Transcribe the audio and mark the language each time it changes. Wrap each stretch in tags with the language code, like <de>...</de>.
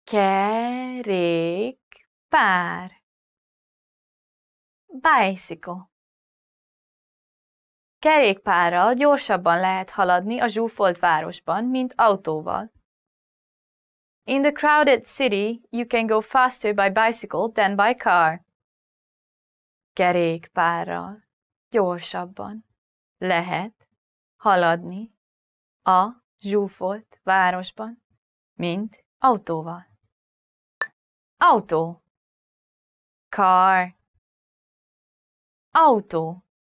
<hu>Kerékpár. Bicycle. Kerékpárral gyorsabban lehet haladni a zsúfolt városban, mint autóval.</hu> <en>In the crowded city, you can go faster by bicycle than by car.</en> <hu>Kerékpárral gyorsabban lehet haladni a zsúfolt városban, mint autóval. Autó. Car. Autó.</hu>